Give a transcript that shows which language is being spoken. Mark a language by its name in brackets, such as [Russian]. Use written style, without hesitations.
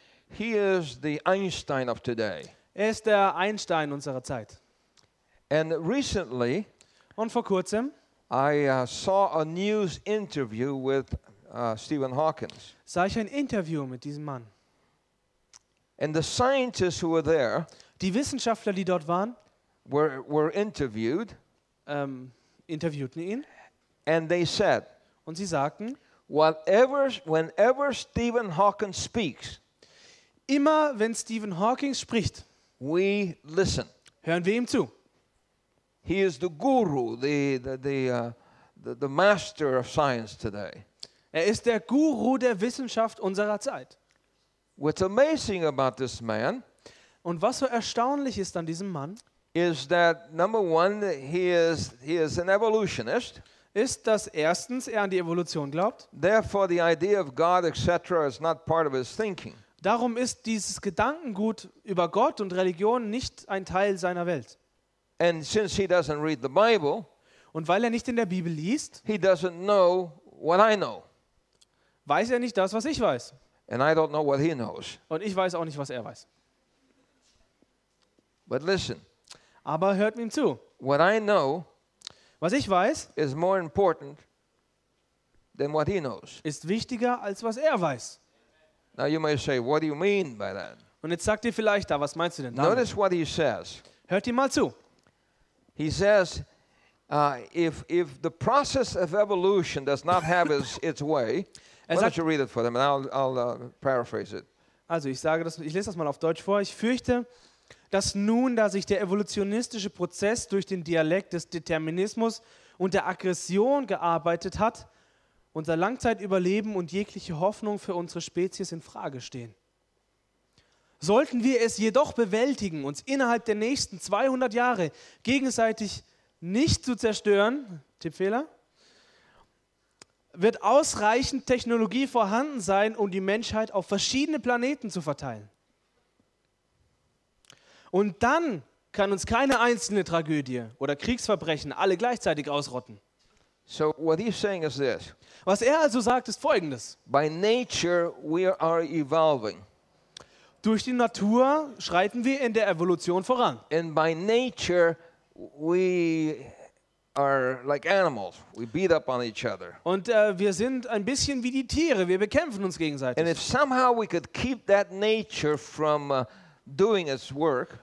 [English] He is the Einstein of today. [German] Er ist der Einstein unserer Zeit. [English] And recently, [German] und vor kurzem, [English] I saw a news interview with Stephen Hawking. [German] Sah ich ein Interview mit diesem Mann. [English] And the scientists who were there, [German] die Wissenschaftler, die dort waren, [English] were interviewed. [German] Interviewten ihn. [English] And they said, [German] und sie sagten, [English] whenever Stephen Hawking speaks, [German] immer wenn Stephen Hawking spricht, [English] we listen. [German] Hören wir ihm zu. [English] He is the guru, the master of science today. [German] Er ist der Guru der Wissenschaft unserer Zeit. [English] What's amazing about this man? [German] Und was so erstaunlich ist an diesem Mann? [English] Is that number one? He is an evolutionist. [German] Ist, dass erstens er an die Evolution glaubt. [English] Therefore, the idea of God, etc., is not part of his thinking. [German] Darum ist dieses Gedankengut über Gott und Religion nicht ein Teil seiner Welt. [English] And since he doesn't read the Bible, [German] und weil er nicht in der Bibel liest, [English] he doesn't know what I know. [German] Weiß er nicht das, was ich weiß. [English] And I don't know what he knows. [German] Und ich weiß auch nicht, was er weiß. [English] But listen. [German] Aber hört ihm zu. [English] What I know, [German] was ich weiß, [English] is more important than what he knows. [German] Ist wichtiger als was er weiß. [English] Now you may say, what do you mean by that? [German] Und jetzt sagt ihr vielleicht, da, was meinst du denn damit? [English] Notice what he says. [German] Hört ihm mal zu. [English] He says, if the process of evolution does not have its way. Why don't you read it for them and I'll paraphrase it. [German] Also ich lese das mal auf Deutsch vor. Ich fürchte, dass nun, da sich der evolutionistische Prozess durch den Dialekt des Determinismus und der Aggression gearbeitet hat, unser Langzeitüberleben und jegliche Hoffnung für unsere Spezies in Frage stehen. Sollten wir es jedoch bewältigen, uns innerhalb der nächsten 200 Jahre gegenseitig nicht zu zerstören, Tippfehler, wird ausreichend Technologie vorhanden sein, um die Menschheit auf verschiedene Planeten zu verteilen. Und dann kann uns keine einzelne Tragödie oder Kriegsverbrechen alle gleichzeitig ausrotten. [English] So what he's saying is this. [German] Was er also sagt, ist Folgendes. [English] By nature we are evolving. [German] Durch die Natur schreiten wir in der Evolution voran. [English] And by nature we are like animals. We beat up on each other. [German] Und wir sind ein bisschen wie die Tiere. Wir bekämpfen uns gegenseitig. [English] And if somehow we could keep that nature from doing its work.